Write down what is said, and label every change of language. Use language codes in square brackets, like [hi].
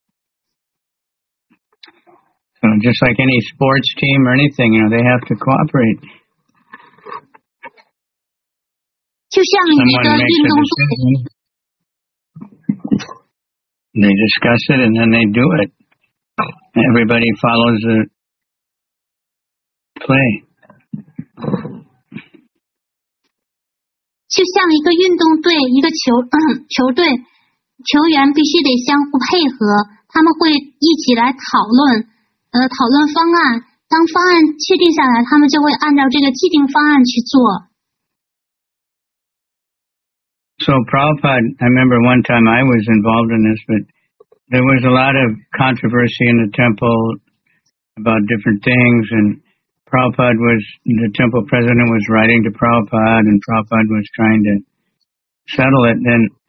[zh] 我们要明白目标是什么，我们其实都是朝着一个目标在努力，我们都有共同的目标。 [en] So just like any sports team or anything, you know, they have to cooperate. [zh] 就像那个运动， [en] they discuss it and then they do it. Everybody follows the play. [zh] 就像一个运动队，一个球队，球员必须得相互配合，他们会一起来讨论方案。当方案确定下来，他们就会按照这个既定方案去做。 [en] So Prabhupada, I remember one time I was involved in this, but there was a lot of controversy in the temple about different things, and Prabhupada was, the temple president was writing to Prabhupada, and Prabhupada was trying to settle it, then